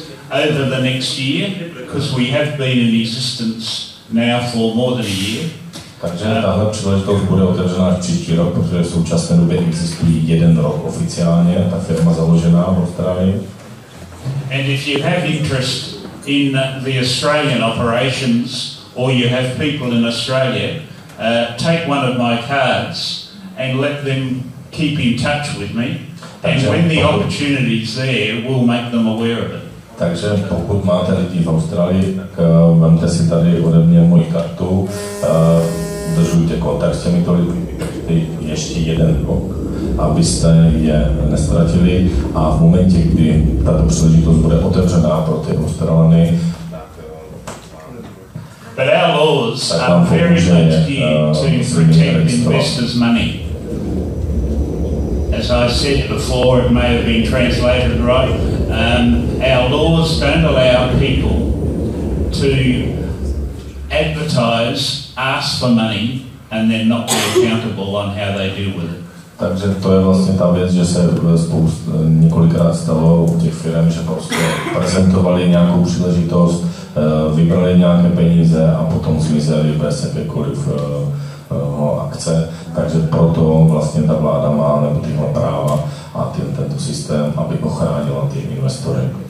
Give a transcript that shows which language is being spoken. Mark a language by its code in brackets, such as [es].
[en] over the next year, because we have been in existence now for more than a year. [cs] Takže tahle příležitost bude otevřená v příští rok, protože v současné době existují 1 rok oficiálně, ta firma založená v Austrálii. [en] And if you have interest in the Australian operations, or you have people in Australia, take one of my cards and let them keep in touch with me. And when the opportunity is there, we'll make them aware of it. [cs] Takže pokud máte lidi v Austrálii, tak vemte si tady ode mě moji kartu, držujte kontakt s těmito lidmi ještě 1 rok, abyste je nestratili a v momentě, kdy tato příležitost bude otevřená pro ty Australany, tak vám pomůže registrovat. [en] As I said before, it may have been translated right, our laws don't allow people to advertise, ask for money, and then not be accountable on how they deal with it. [cs] Takže to je vlastně ta věc, že se několikrát stalo u těch firm, že prostě prezentovali nějakou příležitost, vybrali nějaké peníze a potom zmizeli bez jakékoliv akce. Takže proto vlastně ta vláda má nebo tyhle práva a tento systém, aby ochránila ty investory.